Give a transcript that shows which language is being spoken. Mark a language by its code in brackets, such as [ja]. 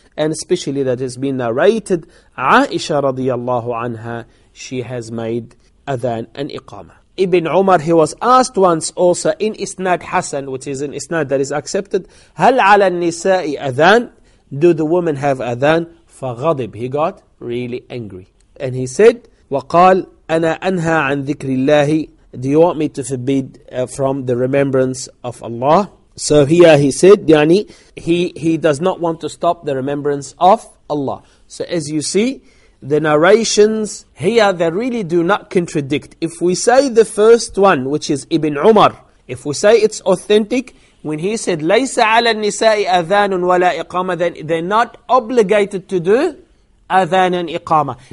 [en] And especially that has been narrated, Aisha radiallahu anha, she has made adhan and iqamah. Ibn Umar, he was asked once also in Isnad Hassan, which is an Isnad that is accepted, [ar] هَلْ عَلَى النِّسَاءِ [en] adhan? Do the women have adhan? فَغَضِبْ. He got really angry. And he said, [ar] وَقَالْ أَنَا أَنْهَى عَنْ ذِكْرِ اللَّهِ. [en] Do you want me to forbid from the remembrance of Allah? So here he said, يعني, he does not want to stop the remembrance of Allah. So as you see, the narrations here, they really do not contradict. If we say the first one, which is Ibn Umar, if we say it's authentic, when he said, [ar] لَيْسَ عَلَى النِّسَاءِ أَذَانٌ وَلَا إِقَامَةٌ, [en] then they're not obligated to do أَذَان and إِقَامَةٌ.